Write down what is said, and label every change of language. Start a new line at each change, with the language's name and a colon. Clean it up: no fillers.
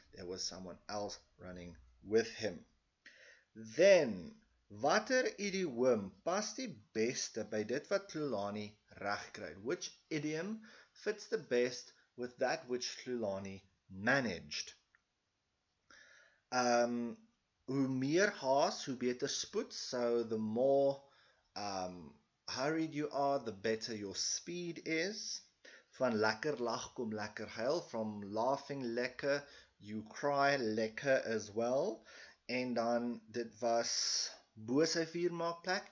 English: There was someone else running with him. Then,
Afrikaans: watter idiom pas die beste by dit wat Tlulani reg kry?
English: Which idiom fits the best with that which Tlulani managed?
Afrikaans: Hoe meer haas, hoe beter spoed.
English: So the more hurried you are, the better your speed is.
Afrikaans: Van lekker lach kom lekker huil.
English: From laughing lekker, you cry lekker as well.
Afrikaans: En dan, dit was bo sy viermaak plek.